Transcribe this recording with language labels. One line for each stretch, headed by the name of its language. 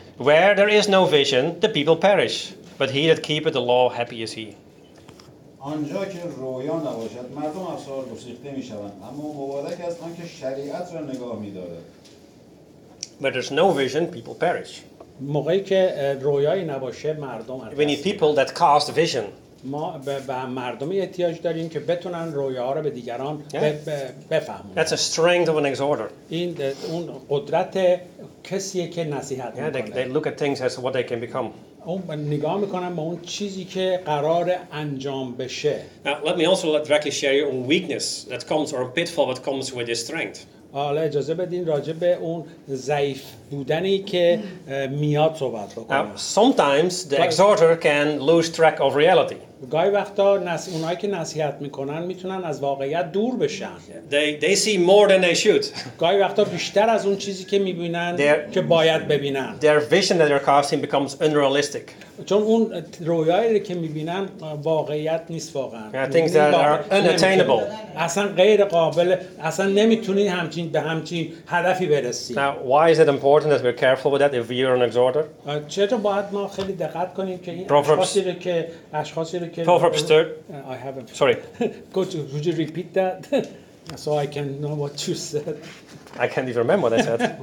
English: Where there is no vision, the people perish. But he that keepeth the law, happy is he.
Persian: آنجا که رویا نباشد، مردم افسار گسیخته میشوند. اما مبارک است آن که شریعت را نگاه می‌دارد.
English: Where there's no vision, people perish.
Persian: موقعی که رویایی نباشه، مردم
English: We need people that cast vision.
Persian: ما به مردم احتیاج داریم که بتونن رویاها رو به دیگران بفهمونن.
English: That's a strength of an exhorter.
Persian: این اون قدرت کسیه که نصیحت میکنه.
English: Yeah, they look at things as what they can become.
Persian: اون نگاه میکنن به اون چیزی که قرار انجام بشه.
English: Now, let me also directly share your own weakness that comes or a pitfall that comes with this strength.
Persian: حالا اجازه بدین راجع به اون ضعیف بودنی که میاد صحبت بکنم.
English: Sometimes the exhorter can lose track of reality.
Persian: گاهی وقتا اونایی که نصیحت میکنن میتونن از واقعیت دور بشن.
English: They see more than they should.
Persian: گاهی وقتا بیشتر از اون چیزی که میبینن که باید ببینن.
English: Their vision that they're casting becomes unrealistic.
Persian: چون اون رویایی که میبینن واقعیت نیست واقعا.
English: Things that are unattainable.
Persian: اصلا غیر قابل، اصلا نمیتونی همچین به همچین هدفی برسی.
English: Now, why is it important that we're careful with that if you're an exhorter?
Persian: چرا باید ما خیلی دقت کنیم که این اشخاصی رو که
English: Proverbs 3. I haven't. Sorry. Would you repeat that so I can know what you said? I can't even remember what I said.